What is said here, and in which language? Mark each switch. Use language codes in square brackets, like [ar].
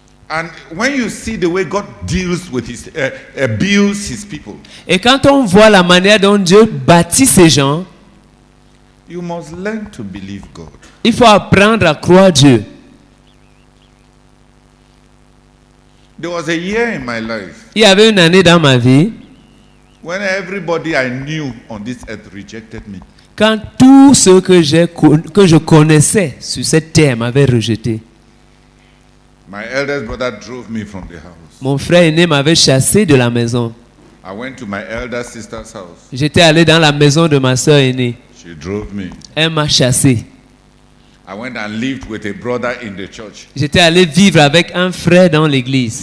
[en] And when you see the way God deals with his builds his people. [fr] Et quand on voit la manière dont Dieu bâtit ses gens, [en] you must learn to believe God. [fr] Il faut apprendre à croire Dieu. [en] There was a year in my life. [fr] Il y avait une année dans ma vie. [en] When everybody I knew on this earth rejected me. [fr] Quand tous ceux que je connaissais sur cette terre m'avaient rejeté. [en] My eldest brother drove me from the house. [fr] Mon frère aîné m'avait chassé de la maison. [en] I went to my elder sister's house. [fr] J'étais allé dans la maison de ma sœur aînée. [en] She drove me. [fr] Elle m'a chassé. [en] I went and lived with a brother in the church. [fr] J'étais allé vivre avec un frère dans l'église.